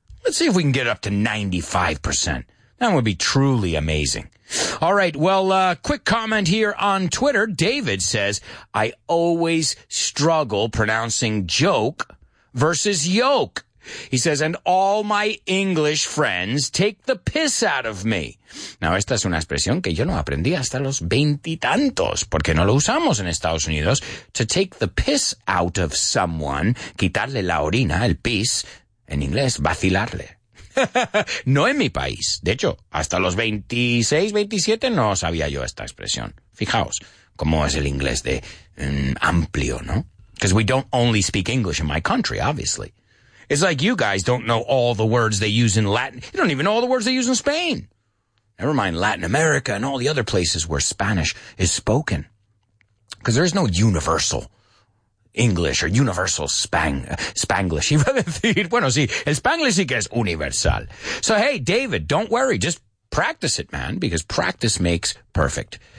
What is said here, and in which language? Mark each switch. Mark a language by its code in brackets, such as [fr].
[en] Let's see if we can get it up to 95%. That would be truly amazing. All right, well, quick comment here on Twitter. David says, I always struggle pronouncing joke versus yoke. He says, and all my English friends take the piss out of me. [es] Now, esta es una expresión que yo no aprendí hasta los veintitantos, porque no lo usamos en Estados Unidos. [en] To take the piss out of someone, [es] quitarle la orina, el pis, en inglés, vacilarle. No en mi país. De hecho, hasta los 26, 27 no sabía yo esta expresión. Fijaos cómo es el inglés de amplio, ¿no? [en] Because we don't only speak English in my country, obviously. It's like you guys don't know all the words they use in Latin. You don't even know all the words they use in Spain. Never mind Latin America and all the other places where Spanish is spoken. Because there is no universal English or universal Spanglish. [es] Bueno, sí, el Spanglish sí que es universal. [en] So, hey, David, don't worry. Just practice it, man, because practice makes perfect.